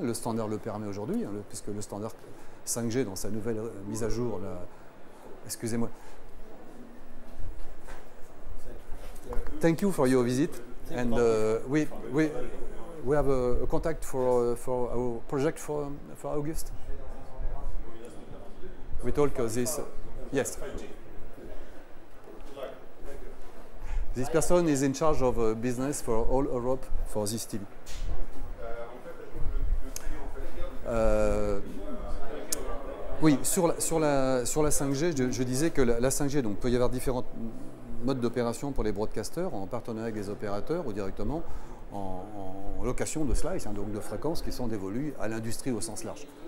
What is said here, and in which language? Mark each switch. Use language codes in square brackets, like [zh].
[fr] Le standard le permet aujourd'hui, hein, puisque le standard 5G, dans sa nouvelle mise à jour, là, excusez-moi. [en] Thank you for your visit. And we have a contact for our project for August. We talk this. Yes. This person is in charge of business for all Europe for this team. [fr] Oui, sur la 5G, je disais que la 5G, donc peut y avoir différents modes d'opération pour les broadcasters en partenariat avec les opérateurs ou directement en location de slice, hein, donc de fréquences qui sont dévolues à l'industrie au sens large.